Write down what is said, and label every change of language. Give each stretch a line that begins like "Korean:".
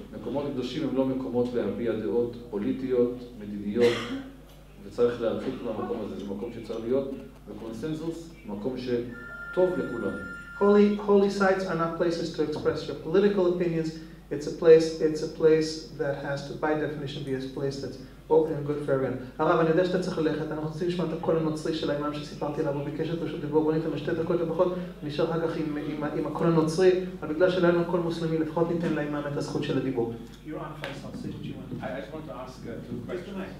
Hebrew: מקומות קדושים הם לא מקומות להביע דעות פוליטיות, מדיניות, וצריך להרחיק מהמקום הזה. זה מקום שצריך להיות בקונסנזוס, מקום שטוב לכולם.
English: Holy sites are not places to express your political opinions. It's a place that has to, by definition, be a place that's open and good for everyone.
Hebrew: הרב, אני יודע שאתה צריך ללכת, אנחנו רוצים לשמוע את הקול הנוצרי של האימאם שסיפרתי עליו, הוא ביקש את רשות דיבור, בוא ניתן שתי דקות לפחות, נשאר רק כך עם הקול הנוצרי, אבל בגלל שלא לנו קול מוסלמי, לפחות ניתן לאימאם את הזכות של הדיבור.
English: You're on Facebook, you want to... I just want to ask two questions.